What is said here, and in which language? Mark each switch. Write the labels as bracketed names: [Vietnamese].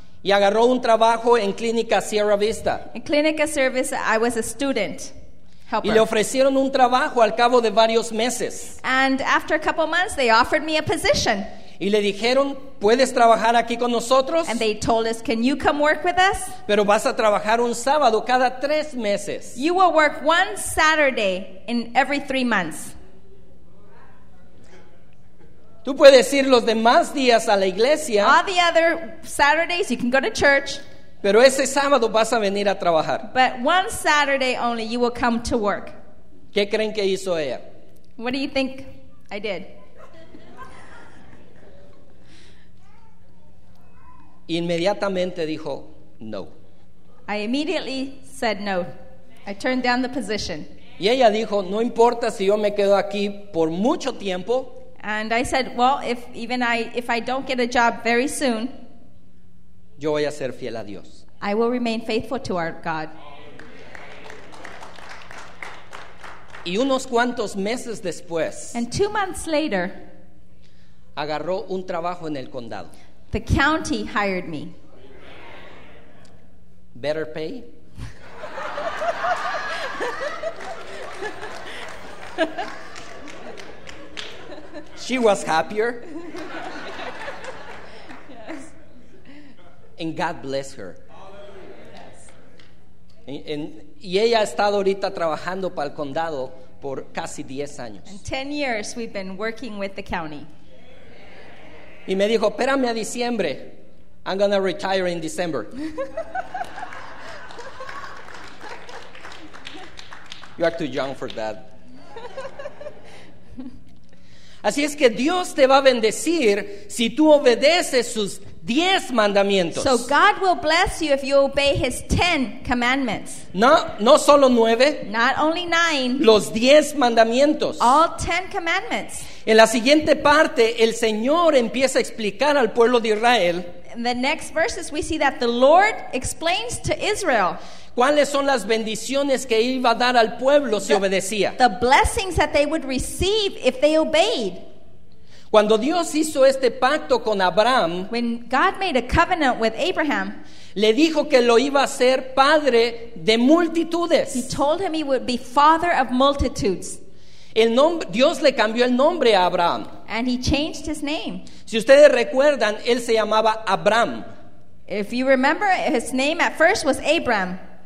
[Spanish] Y agarró un trabajo en Clínica Sierra Vista. [English] In Clínica Sierra Vista, I was a student. [Spanish] Y le ofrecieron un trabajo al cabo de varios meses. [English] And after a couple months, they offered me a position. [Spanish] Y le dijeron, ¿puedes trabajar aquí con nosotros? [English] And they told us, can you come work with us? [Spanish] Pero vas a trabajar un sábado cada 3 meses. [English] You will work one Saturday in every 3 months. [Spanish] Tú puedes ir los demás días a la iglesia. [English] All the other Saturdays, you can go to church. [Spanish] Pero ese sábado vas a venir a trabajar. [English] But one Saturday only you will come to work. [Spanish] ¿Qué creen que hizo ella? [English] What do you think I did? [Spanish] Inmediatamente dijo no. [English] I immediately said no. I turned down the position. [Spanish] Y ella dijo, no importa si yo me quedo aquí por mucho tiempo. [English] And I said, well, if I don't get a job very soon, [Spanish] yo voy a ser fiel a Dios. [English] I will remain faithful to our God. [Spanish] Y unos cuantos meses después, [English] and 2 months later, [Spanish] agarró un trabajo en el condado. [English] The county hired me. Better pay. She was happier. Yes. And God bless her. Yes. [Spanish] Y ella ha estado ahorita trabajando para el condado por casi 10 años. [English] And 10 years we've been working with the county. [Spanish] Y me dijo, espérame a diciembre. [English] I'm going to retire in December. You are too young for that. [Spanish] Así es que Dios te va a bendecir si tú obedeces sus 10 mandamientos. [English] So God will bless you if you obey his 10 commandments. [Spanish] No solo 9. [English] Not only 9. [Spanish] Los 10 mandamientos. [English] All 10 commandments. [Spanish] En la siguiente parte, el Señor empieza a explicar al pueblo de Israel. [English] In the next verses, we see that the Lord explains to Israel. [Spanish] ¿Cuáles son las bendiciones que iba a dar al pueblo si obedecía? [English] The blessings that they would receive if they obeyed. [Spanish] Cuando Dios hizo este pacto con Abraham, [English] when God made a covenant with Abraham, [Spanish] le dijo que lo iba a hacer padre de multitudes. [English] He told him he would be father of multitudes. [Spanish] El nombre, Dios le cambió el nombre a Abraham. [English] And he changed his name. [Spanish] Si ustedes recuerdan, él se llamaba Abraham. [English] If you remember, his name at first was Abram.